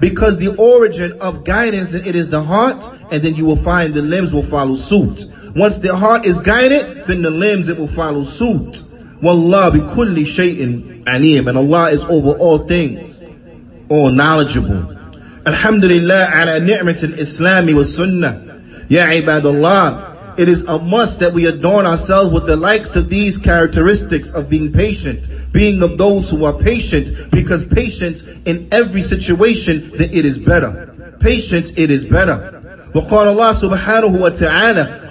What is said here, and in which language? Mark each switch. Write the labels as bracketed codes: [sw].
[en] Because the origin of guidance, it is the heart, and then you will find the limbs will follow suit. Once the heart is guided, then the limbs, it will follow suit. [ar] وَاللَّهِ بِكُلِّ شَيْءٍ عَلِيمٍ. [en] And Allah is over all things, all knowledgeable. [ar] الحمد لله على نعمة الإسلام والسنة. يا عباد الله. [en] It is a must that we adorn ourselves with the likes of these characteristics of being patient, being of those who are patient, because patience in every situation, that it is better. Patience, it is better. [ar] وَقَالَ اللَّهُ سُبْحَانَهُ وَتَعَالَى.